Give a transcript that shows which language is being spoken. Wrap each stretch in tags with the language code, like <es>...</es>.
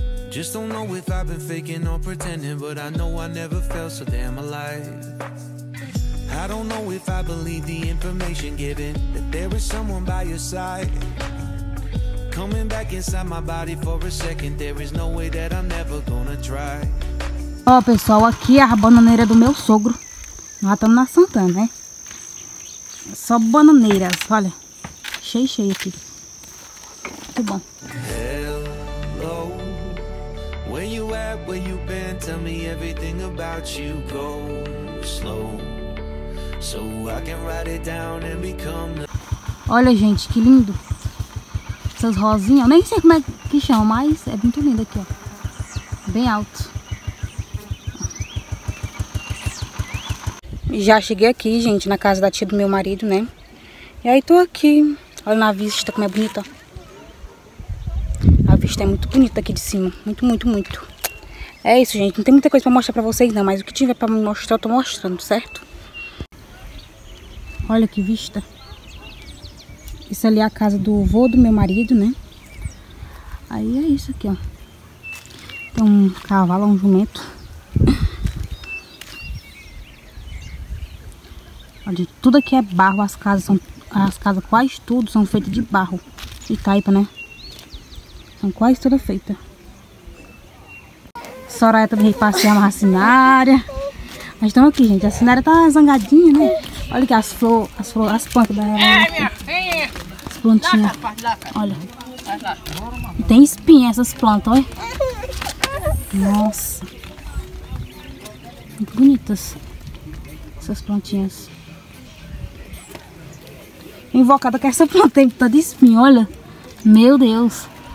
<en>Just don't know if I've been faking or pretending, but I know I never felt so damn alive. I don't know if I believe the information given, that there is someone by your side. Coming back inside my body for a second, there is no way that I'm never gonna try.</en> <pt>Ó, pessoal, aqui é a bananeira do meu sogro. Nós estamos na Santana, né? Só bananeiras, olha. Cheio aqui. Muito bom.</pt> <en>Hello. Where you at, where you been? Tell me everything about you. Go slow. So I can write it down and become the...</en> <pt>Olha, gente, que lindo. Essas rosinhas, eu nem sei como é que chama, mas é muito lindo aqui, ó. Bem alto. Já cheguei aqui, gente, na casa da tia do meu marido, né? E aí tô aqui. Olha na vista como é bonita. A vista é muito bonita aqui de cima. Muito, muito, muito. É isso, gente. Não tem muita coisa pra mostrar pra vocês, não. Mas o que tiver pra mostrar, eu tô mostrando, certo? Olha que vista. Isso ali é a casa do avô do meu marido, né? Aí é isso aqui, ó. Tem um cavalo, um jumento. Olha, tudo aqui é barro. As casas são... As casas, quase tudo, são feitas de barro. E taipa, né? São quase todas feitas. Soraya também veio passear na cinária. Mas estamos aqui, gente. A cinária tá zangadinha, né? Olha aqui as flores, as plantas da... As plantinhas. Olha. E tem espinha essas plantas, olha. Nossa. Muito bonitas. Essas plantinhas. Invocada com essa planta, tem tanta espinha, olha. Meu Deus.</pt>